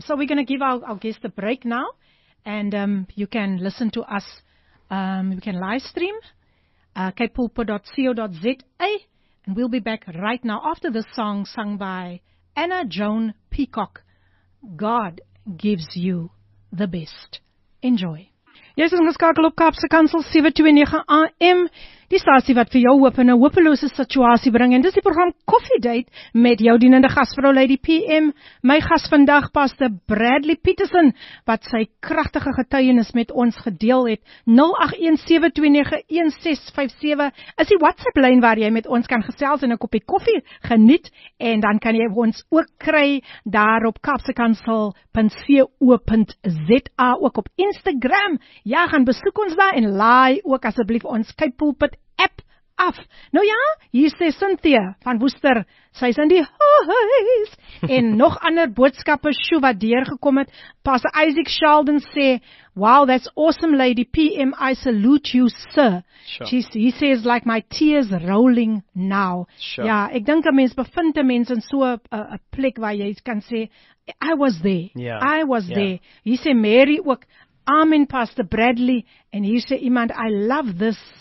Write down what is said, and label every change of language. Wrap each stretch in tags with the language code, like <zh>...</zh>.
<en>So we're going to give our guest a break now, and you can listen to us. You can live stream kpulpa.co.za, and we'll be back right now after this song sung by Anna Joan Peacock, God Gives You the Best. Enjoy.</en> <af>Jy's ingeskakel op Kaapse Kansel 729 AM, die stasie wat vir jou hoop in 'n hopelose situasie bring. En dis die program Coffee Date met jou dienende gasvrou Lady PM. My gas vandag Pastor Bradley Peterson, wat sy kragtige getuienis met ons gedeel het. 0817291657 is die WhatsApp lyn waar jy met ons kan gesels en 'n koppie koffie geniet. En dan kan jy ons ook kry daar op kaapsekansel.co.za, ook op Instagram. Ja, gaan besoek ons daar en laai ook asseblief ons Cape Pulpit app af. Nou ja, hier sê Cynthia van Woester, sy is in die huis. En nog ander boodskappe, sjoe, wat deurgekom het.</af> <en>Pastor Isaac Sheldon sê, wow, that's awesome, Lady PM, I salute you, sir. Sure. He says, like my tears rolling now. Sure.</en> <af>Ja, ek dink een mens bevind een mens in so'n plek waar jy kan sê,</af> <en>I was there. Yeah. I was there.</en> <af>Hier sê Mary ook, Amen, Pastor Bradley.</af> <en>And he said, iemand, I love this.</en>